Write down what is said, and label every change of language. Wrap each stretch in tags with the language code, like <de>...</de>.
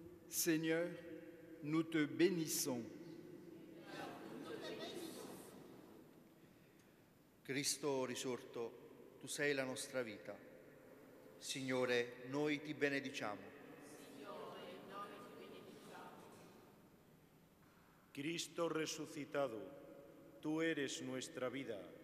<fr>Seigneur, nous te bénissons.</fr> <it>Cristo risorto, tu sei la nostra vita. Signore, noi ti benediciamo.</it> <es>Cristo resucitado, tú eres nuestra vida.</es>